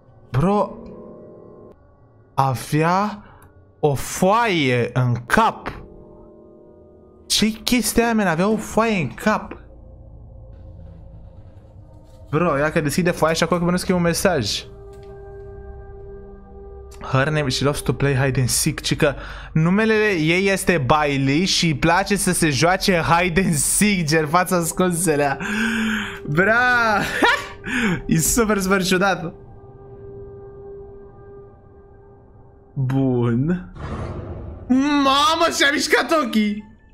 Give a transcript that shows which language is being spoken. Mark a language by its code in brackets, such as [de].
[ro] Bro, avea o foaie în cap. Ce chestia aia, man? Avea o foaie în cap. Bro, ia că deschide foaia și acolo că mănânc un mesaj. [en] Her name, she loves to play hide and seek. [ro] Cică numele ei este Bailey și îi place să se joace [en] hide and seek, [ro] gen fața ascunselea. Bra! E super, super ciudat. Bun. Mamă, și-a mișcat ochii.